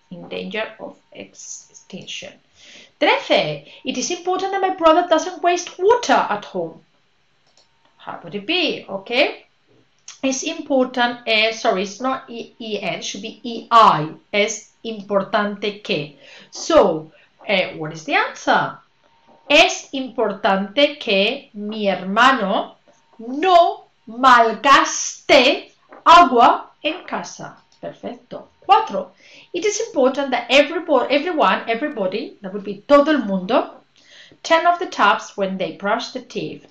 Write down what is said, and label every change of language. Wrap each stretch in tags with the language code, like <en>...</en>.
<en>In danger of extinction. 13. It is important that my brother doesn't waste water at home. How would it be? Okay. Es important, sorry, it's not E-N, it should be E-I.</en> <es>Es importante que.</es> <en>So, what is the answer?</en> <es>Es importante que mi hermano no malgaste agua en casa. Perfecto. 4.</es> <en>It is important that everybody, that would be</en> <es>todo el mundo,</es> <en>turn off the taps when they brush the teeth.</en>